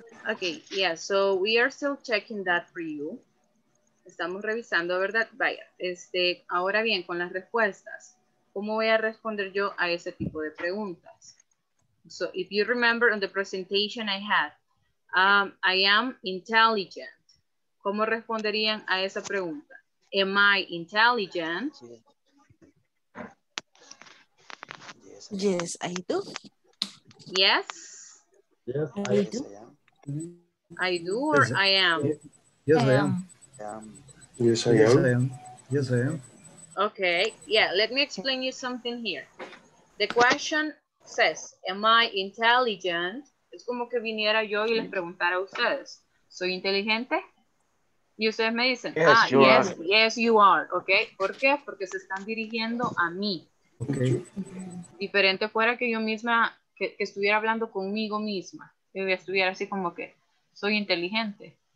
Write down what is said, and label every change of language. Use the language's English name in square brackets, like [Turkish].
[English] Okay, yeah, so we are still checking that for you. [Spanish] Estamos revisando, ¿verdad? Vaya, ahora bien, con las respuestas, ¿cómo voy a responder yo a ese tipo de preguntas? [English] So, if you remember on the presentation I had, I am intelligent. [Spanish] ¿Cómo responderían a esa pregunta? [English] Am I intelligent? Yes, I do. Yes? Yes, I do. I do or I am? Yes, I am. Yes, I am. Okay, yeah, let me explain you something here. The question says, am I intelligent? [Spanish] Es como que viniera yo y les preguntara a ustedes, ¿soy inteligente? Y ustedes me dicen, [English] yes, you are. [Spanish] Okay, ¿por qué? Porque se están dirigiendo a mí. [English] Okay. [Spanish] Diferente fuera que yo misma, que estuviera hablando conmigo misma, que estuviera así como que, ¿soy inteligente?